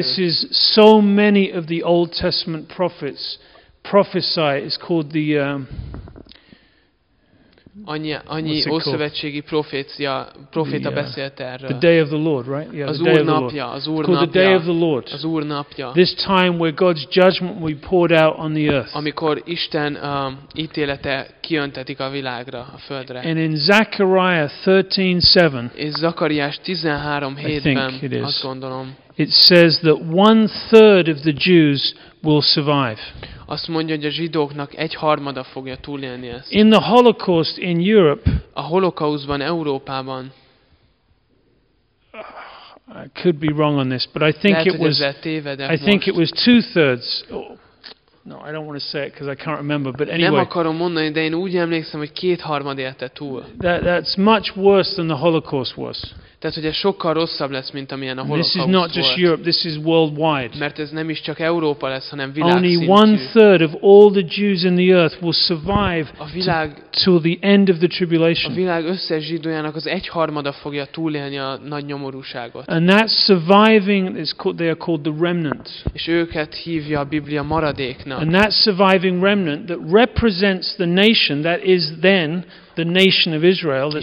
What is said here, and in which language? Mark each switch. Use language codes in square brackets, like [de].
[en] This is so many of the Old Testament prophets prophesy is called the [hu] annyi ószövetségi proféta beszélt erről. [en] The day of the Lord, right? Yeah, [hu] az [en] the day [hu] Úr napja, [en] of the Lord. [hu] Az Úr napja. [en] Called the day of the Lord. [hu] Az Úr napja. [en] This time where God's judgment will be poured out on the earth. [hu] Amikor Isten ítélete kiöntetik a világra, a földre. [en] And in Zechariah 13:7. [hu] És Zakariás 13:7-ben azt gondolom. [en] It says that 1/3 of the Jews will survive. [hu] Azt mondja, hogy a zsidóknak egy harmada fogja túlélni ezt. [en] In the Holocaust in Europe. [hu] A holokauszban Európában. [en] I could be wrong on this, but I think [hu] lehet, [en] it was. I think it was 2/3. No, I don't want to say it because I can't remember. But anyway. [hu] Nem akarom mondani, de én úgy emlékszem, hogy 2/3 érte túl. [en] That's much worse than the Holocaust was. [hu] Tehát, hogy ez sokkal rosszabb lesz, mint amilyen a holokauszt volt. [en] This is not just Europe, this is worldwide. [hu] Mert ez nem is csak Európa lesz, hanem világszintű. [en] Only 1/3 of all the Jews in the earth will survive till the end of the tribulation. [hu] A világ összes zsidójának az egyharmada fogja túlélni a nagy nyomorúságot. [en] And that surviving is called, they are called the remnant. [hu] És őket hívja a Biblia maradéknak. [en] And that surviving remnant that represents the nation that is then the nation of Israel that survived.